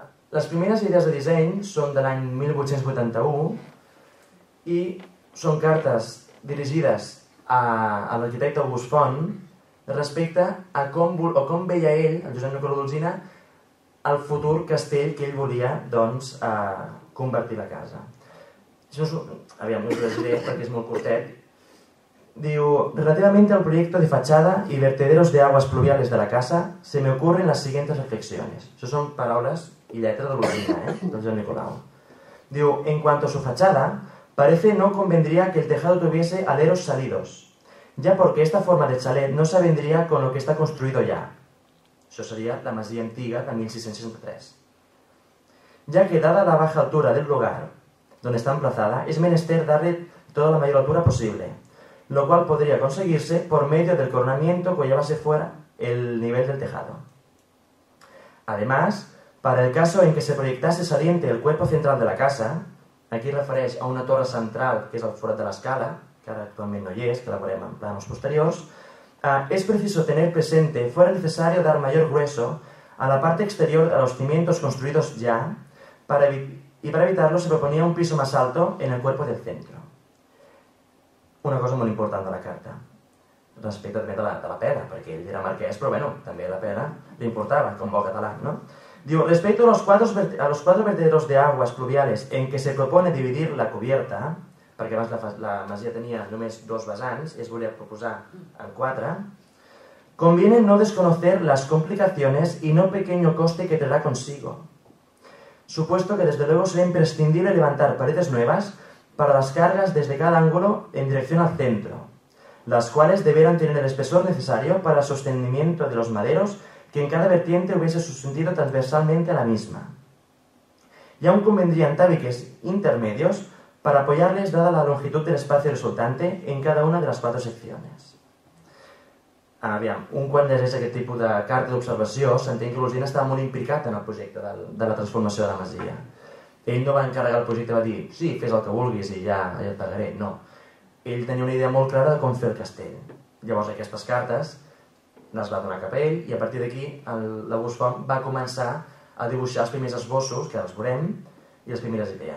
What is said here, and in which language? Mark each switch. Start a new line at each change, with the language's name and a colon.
Catalan: Les primeres idees de disseny són de l'any 1881 i són cartes dirigides a l'arquitecte August Font respecte a com veia ell, el Josep Nicolau d'Olzina, el futur castell que ell volia doncs, convertir la casa. Aviam, us ho llegiré perquè és molt curtet.
Spanish: Diu, relativamente al proyecto de fachada y vertederos de aguas pluviales de la casa, se me ocurren las siguientes reflexiones.
Catalan: Això són paraules i lletres de l'Olzina, del Joan Nicolau.
Spanish: Diu, en cuanto a su fachada, parece no convendría que el tejado tuviese aleros salidos, ya porque esta forma de chalet no se vendría con lo que está construido ya.
Catalan: Això seria la masia antiga de 1663.
Spanish: Ya que dada la baja altura del lugar donde está emplazada, es menester darle toda la mayor altura posible, lo cual podría conseguirse por medio del coronamiento que llevase fuera el nivel del tejado. Además, para el caso en que se proyectase saliente el cuerpo central de la casa,
Catalan: aquí refereix a una torre central que és el forat de l'escala, que ara actualment no hi és, que la veurem en planos posteriors,
Spanish: es preciso tener presente, fuera necesario dar mayor grueso a la parte exterior de los cimientos construidos ya, para evitarlo se proponía un piso más alto en el cuerpo del centro.
Catalan: Una cosa molt important de la carta, respecte també de la pera, perquè ell era marquès, però bueno, també la pera li importava, com bo català, no?
Spanish: Diu, respecto a los cuatro vertederos de aguas pluviales en que se propone dividir la cubierta,
Catalan: perquè abans la masia tenia només dos vessants, es volia proposar en quatre,
Spanish: conviene no desconocer las complicaciones y no pequeño coste que traerá consigo, supuesto que desde luego será imprescindible levantar paredes nuevas para las cargas desde cada ángulo en dirección al centro, las cuales deberán tener el espesor necesario para el sostenimiento de los maderos que en cada vertiente hubiese su sentido transversalmente a la misma. Y aún convendrían tabiques intermedios para apoyarles dada la longitud del espacio resultante en cada una de las cuatro secciones.
Catalan: Aviam, un quan llegeix aquest tipus de carta d'observació, s'entén que l'Ugin estava molt implicat en el projecte de la transformació de la masia. Ell no va encarregar el projecte i va dir, sí, fes el que vulguis i ja, ja et pagaré. No. Ell tenia una idea molt clara de com fer el castell. Llavors aquestes cartes les va donar cap a ell i a partir d'aquí l'August Font va començar a dibuixar els primers esbossos, que ara els veurem, i les primeres idees.